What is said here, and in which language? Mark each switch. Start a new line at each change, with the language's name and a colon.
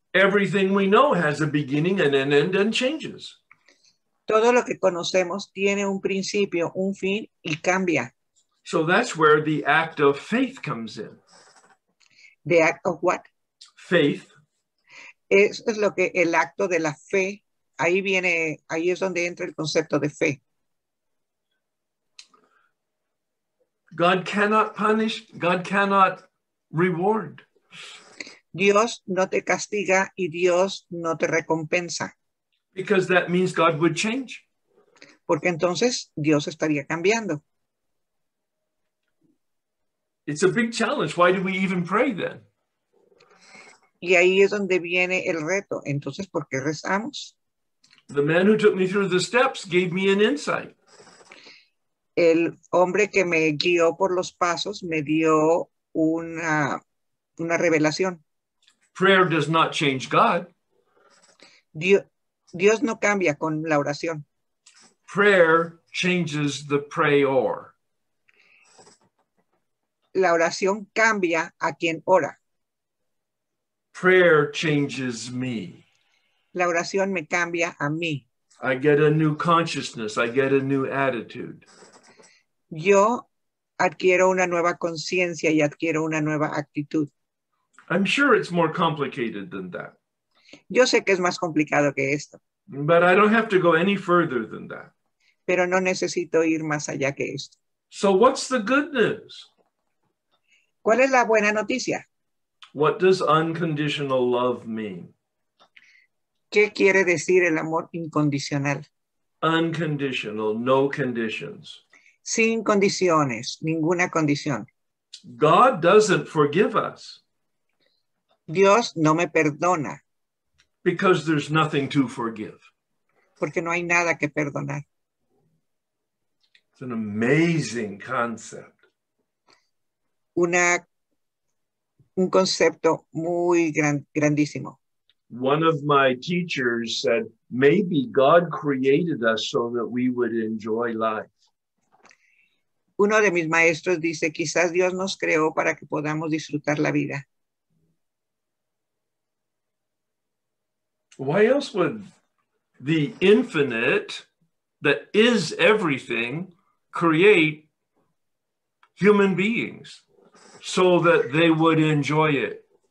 English: Everything we know has a beginning and an end and changes.
Spanish: Todo lo que conocemos tiene un principio, un fin y cambia.
English: So that's where the act of faith comes in. The act of what? Faith.
Spanish: Eso es lo que el acto de la fe, ahí viene, ahí es donde entra el concepto de fe.
English: God cannot punish, God cannot reward.
Spanish: Dios no te castiga y Dios no te recompensa.
English: Because that means God would change.
Spanish: Porque entonces Dios estaría cambiando.
English: It's a big challenge. Why do we even pray then?
Spanish: Y ahí es donde viene el reto. Entonces, ¿por qué rezamos?
English: The man who took me through the steps gave me an insight.
Spanish: El hombre que me guió por los pasos me dio una revelación.
English: Prayer does not change God.
Spanish: Dios no cambia con la oración.
English: Prayer changes the prayer.
Spanish: La oración cambia a quien ora.
English: Prayer changes me.
Spanish: La oración me cambia a mí.
English: I get a new consciousness. I get a new attitude.
Spanish: Yo adquiero una nueva conciencia y adquiero una nueva actitud.
English: I'm sure it's more complicated than that.
Spanish: Yo sé que es más complicado que esto.
English: But I don't have to go any further than that.
Spanish: pero no necesito ir más allá que esto.
English: So what's the good news?
Spanish: ¿Cuál es la buena noticia?
English: What does unconditional love mean?
Spanish: ¿Qué quiere decir el amor incondicional?
English: Unconditional, no conditions.
Spanish: Sin condiciones, ninguna condición.
English: God doesn't forgive us.
Spanish: Dios no me perdona.
English: Because there's nothing to forgive.
Spanish: Porque no hay nada que perdonar.
English: It's an amazing concept.
Spanish: Un concepto muy grandísimo.
English: One of my teachers said, maybe God created us so that we would enjoy life.
Spanish: Uno de mis maestros dice, quizás Dios nos creó para que podamos disfrutar la vida.
English: Why else would the infinite that is everything create human beings so that they would enjoy it?